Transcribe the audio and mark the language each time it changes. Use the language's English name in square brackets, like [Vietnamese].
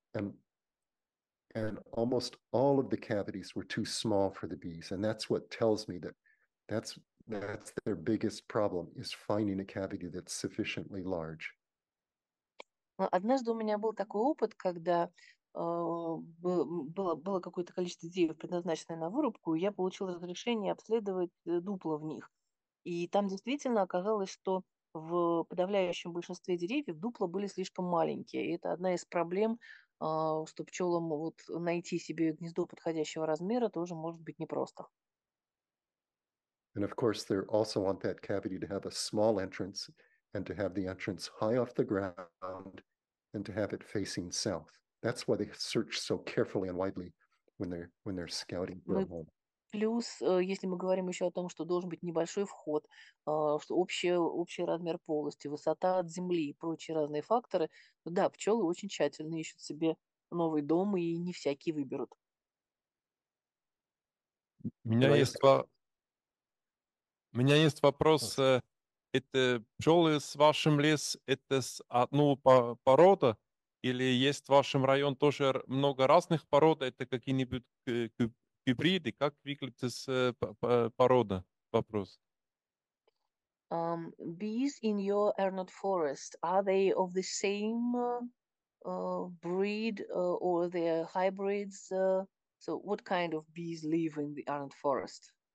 [English] And almost all of the cavities were too small for the bees. And that's what tells me that that's their biggest problem is finding a cavity that's sufficiently large. [Russian] Однажды у меня был такой опыт, когда было какое-то количество деревьев, предназначенное на вырубку, и я получил разрешение обследовать дупла в них. И там действительно оказалось, что в подавляющем большинстве деревьев дупла были слишком маленькие. И это одна из проблем, что пчелам вот найти себе гнездо подходящего размера тоже может быть непросто. [English] And of course, they also want that cavity to have a small entrance and to have the entrance high off the ground and to have it facing south. That's why they search so carefully and widely when they're scouting for a home. [Russian] Плюс, если мы говорим еще о том, что должен быть небольшой вход, что общий размер полости, высота от земли и прочие разные факторы, да, пчелы очень тщательно ищут себе новый дом и не всякие выберут. У меня есть вопрос. Это пчелы с вашим лес, это с одного порода? Или есть в вашем районе тоже много разных пород? Это какие-нибудь гибриды? Как выглядит порода? Вопрос. [English] Bees in your Arnott forest, are they of the same breed or they are hybrids? So what kind of bees live in the Arnott forest?